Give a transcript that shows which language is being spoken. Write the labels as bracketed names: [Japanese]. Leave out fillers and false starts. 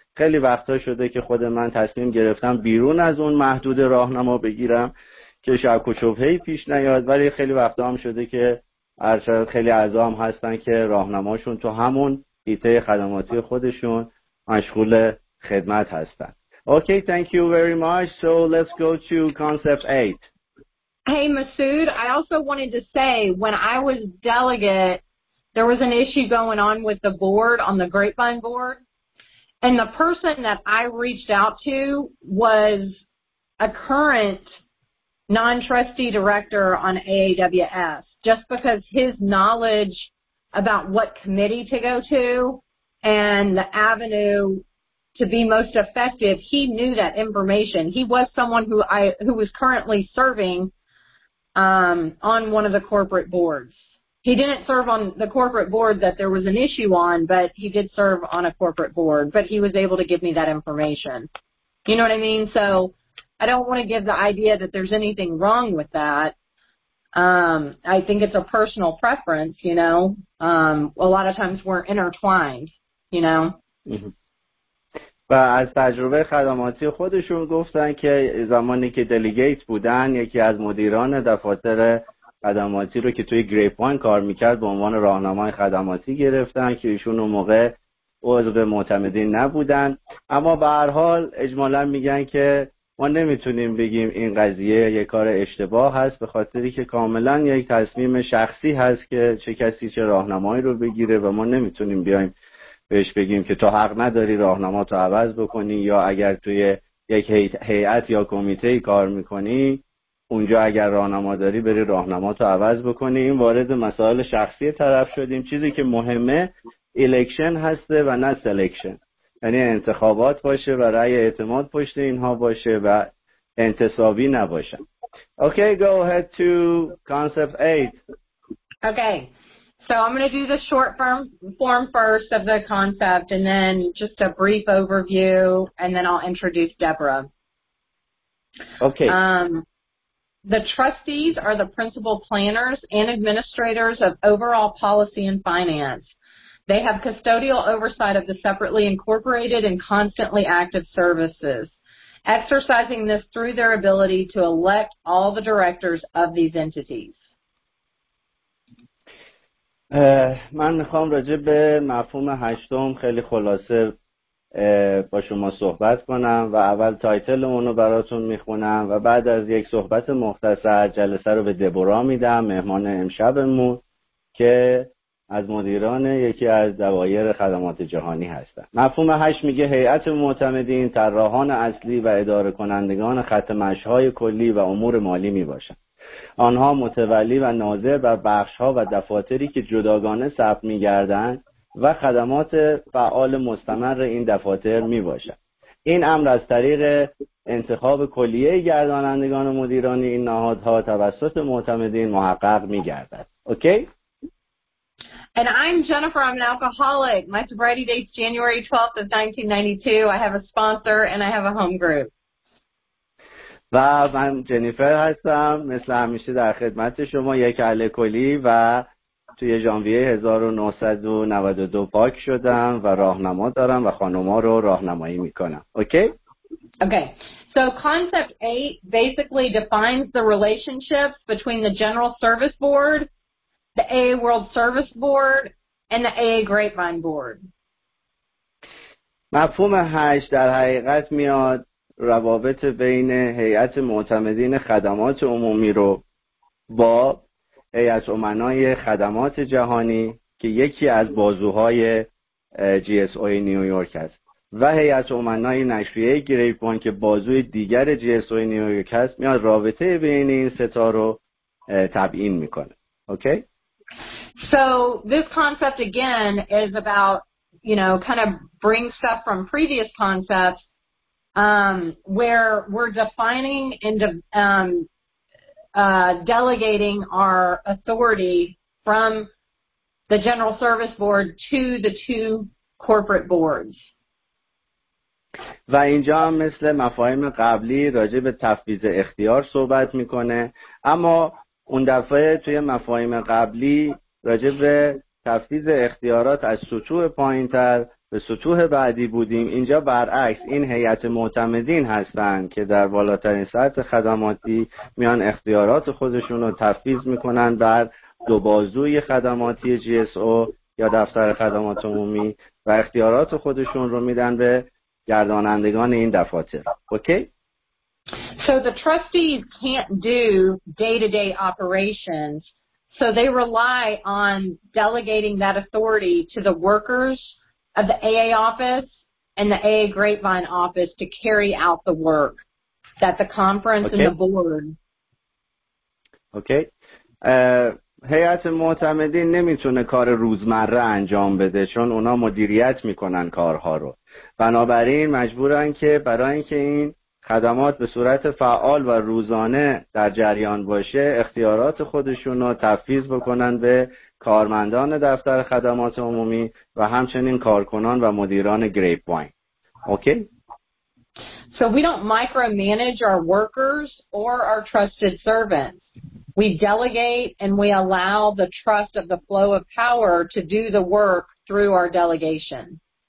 [Persian] خیلی وقتا شده که خود من تصمیم گرفتم بیرون از اون محدود راهنما بگیرم که شک و شبهه‌ای پیش نیاد، ولی خیلی وقتا هم شده که ارشد خیلی اعضام هستن که راهنماشون تو همون ایته خدماتی خودشون مشغول خدمت هستن. [English] Okay, thank you very much. So let's go to concept 8. Hey Masood, I also wanted to say when I was delegate, there was an issue going on with the board, on the Grapevine board. And the person that I reached out to was a current non-trustee director on AAWS, just because his knowledge about what committee to go to and the avenue to be most effective, he knew that information. He was someone who was currently serving on one of the corporate boards. He didn't serve on the corporate board that there was an issue on, but he did serve on a corporate board, but he was able to give me that information. You know what I mean? So I don't want to give the idea that there's anything wrong with that. I think it's a personal preference, you know. A lot of times we're intertwined, you know. [Persian] و از تجربه خدماتی خودشون گفتن که زمانی که دلیگیت بودن یکی از مدیران دفاتر خدماتی رو که توی گریپ وان کار میکرد به عنوان راهنمای خدماتی گرفتن که ایشون اون موقع عضو معتمدین نبودن، اما به هر حال اجمالا میگن که ما نمیتونیم بگیم این قضیه یک کار اشتباه هست، به خاطری که کاملا یک تصمیم شخصی هست که چه کسی چه راهنمایی رو بگیره و ما نمیتونیم بیایم بهش بگیم که تو حق نداری راهنما تو عوض بکنی، یا اگر توی یک هیئت یا کمیته کار میکنی اونجا اگر راهنما داری بری راهنما تو عوض بکنی. این وارد مسائل شخصی طرف شدیم. چیزی که مهمه الیکشن هسته و نه سلیکشن، یعنی انتخابات باشه و رأی اعتماد پشت اینها باشه و انتصابی نباشن. [English] Okay, go ahead to concept 8. Okay, so I'm going to do the short form first of the concept and then just a brief overview and then I'll introduce Deborah. Okay. The trustees are the principal planners and administrators of overall policy and finance. They have custodial oversight of the separately incorporated and constantly active services, exercising this through their ability to elect all the directors of these entities. [Persian] من میخوام راجع به مفهوم هشتم خیلی خلاصه با شما صحبت کنم و اول تایتل اونو براتون میخونم و بعد از یک صحبت مختصر جلسه رو به دبورا میدم، مهمان امشبمون، که از مدیران یکی از دوایر خدمات جهانی هستند. مفهوم 8 میگه هیئت معتمدین طراحان اصلی و اداره کنندگان خط مشی‌های کلی و امور مالی میباشند. آنها متولی و ناظر بر بخش‌ها و دفاتری که جداگانه ثبت میگردند و خدمات فعال مستمر این دفاتر میباشند. این امر از طریق انتخاب کلیه گردانندگان و مدیران این نهادها توسط معتمدین محقق میگردد. اوکی؟ [English] And I'm Jennifer, I'm an alcoholic. My sobriety date's January 12th of 1992. I have a sponsor and I have a home group. [Persian] و من جنیفر هستم، مثل همیشه در خدمت شما، یک الکلی و توی ژانویه 1992 پاک شدم و راهنما دارم و خانوما رو راهنمایی میکنم. اوکی؟ [English] Okay. So concept 8 basically defines the relationships between the General Service Board, the AA World Service Board and the AA Grapevine Board. [Persian] مفهوم 8 در حقیقت میاد روابط بین هیئت معتمدین خدمات عمومی رو با هیئت امنای خدمات جهانی که یکی از بازوهای GSO نیویورک است و هیئت امنای نشریه گریپوان که بازوی دیگر GSO نیویورک است، میاد رابطه بین این سه تا رو تبیین میکنه. اوکی؟ [English] So this concept again is about, you know, kind of bring stuff from previous concepts where we're defining and delegating our authority from the General Service Board to the two corporate boards. [Persian] و اینجا هم مثل مفاهیم قبلی راجع به تفویض اختیار صحبت میکنه، اما اون دفعه توی مفاهیم قبلی راجع به تفویض اختیارات از سطوح پایین تر به سطوح بعدی بودیم. اینجا برعکس، این هیئت معتمدین هستن که در بالاترین سطح خدماتی میان اختیارات خودشون رو تفویض میکنن بر دو بازوی خدماتی GSO یا دفتر خدمات عمومی و اختیارات خودشون رو میدن به گردانندگان این دفاتر. اوکی؟ [English] So the trustees can't do day-to-day operations, so they rely on delegating that authority to the workers of the AA office and the AA Grapevine office to carry out the work that the conference okay. and the board. Okay. [Persian] هیئت معتمدین نمیتونه کار روزمره انجام بده چون اونا مدیریت میکنن کارها رو. بنابراین مجبورن که برای اینکه این خدمات به صورت فعال و روزانه در جریان باشه اختیارات خودشون رو تفویض بکنن به کارمندان دفتر خدمات عمومی و همچنین کارکنان و مدیران گریپ واین. اوکی؟ [English] So we don't micromanage our workers or our trusted servants. We delegate and we allow the trust of the flow of power to do the work through our delegation.